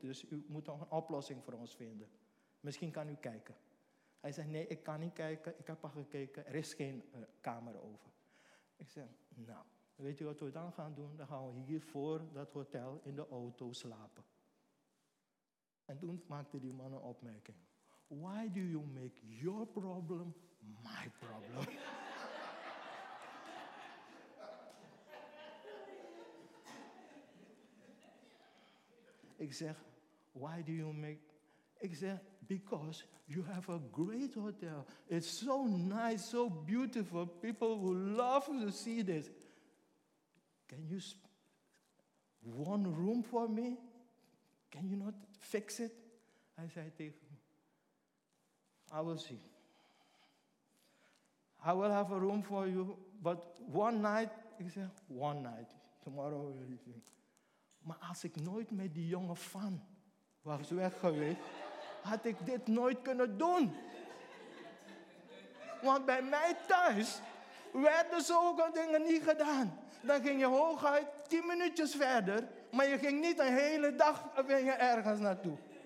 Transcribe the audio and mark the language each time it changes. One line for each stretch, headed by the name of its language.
Dutch: Dus u moet nog een oplossing voor ons vinden. Misschien kan u kijken. Hij zei, nee, ik kan niet kijken. Ik heb al gekeken. Er is geen kamer over. Ik zei, nou, weet u wat we dan gaan doen? Dan gaan we hier voor dat hotel in de auto slapen. En toen maakte die man een opmerking.
English: Why do you make your problem my problem?
Dutch: Ik zeg,
English: why do you make... Ik zeg, because you have a great hotel. It's so nice, so beautiful. People would love to see this. Can you... one room for me? Can you not fix it? I said to him, I will see. I will have a room for you, but one night,
Dutch: ik zeg,
English: one night, tomorrow will you see.
Dutch: Maar als ik nooit met die jonge fan was weg geweest, had ik dit nooit kunnen doen. Want bij mij thuis werden zulke dingen niet gedaan. Dan ging je hooguit 10 minuutjes verder, maar je ging niet een hele dag ergens naartoe.